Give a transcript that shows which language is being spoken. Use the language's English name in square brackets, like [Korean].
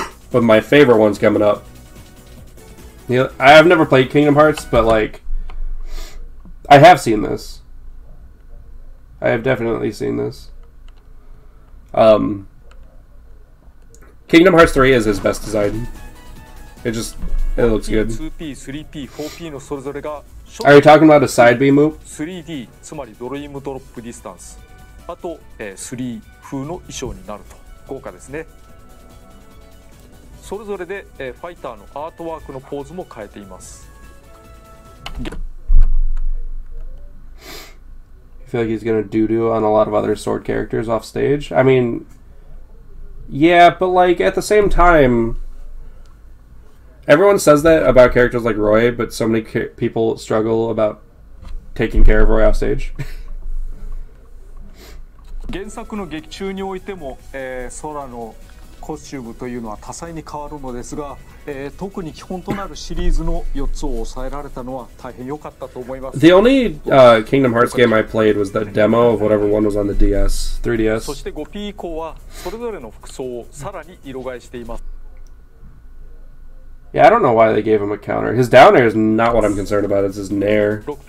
[English] But my favorite one's coming up. You know, I have never played Kingdom Hearts, but like, I have seen this. I have definitely seen this. Kingdom Hearts 3 is his best design. It looks good. [Japanese] 2P, 3P, 4P のそれぞれが [English] Are you talking about a side B move? [Japanese] 3D, つまりドリームドロップディスタンス。あと、3風の衣装になると。豪華ですね。それぞれで、ファイターのアートワークのポーズも変えています。 [English] I feel like he's gonna doo-doo on a lot of other sword characters off stage. I mean... Yeah, but like at the same time, everyone says that about characters like Roy, but so many people struggle about taking care of Roy offstage. [Japanese] 原作の劇中においても、空のコスチュームというのは多彩に変わるのですが、特に基本となるシリーズの4つを抑えられたのは大変良かったと思います。 [English] The only Kingdom Hearts game I played was the demo of whatever one was on the DS, 3DS. [Japanese] そして5P 以降はそれぞれの服装をさらに色替えしています。 [English] Yeah, I don't know why they gave him a counter. His down air is not what I'm concerned about, it's his nair.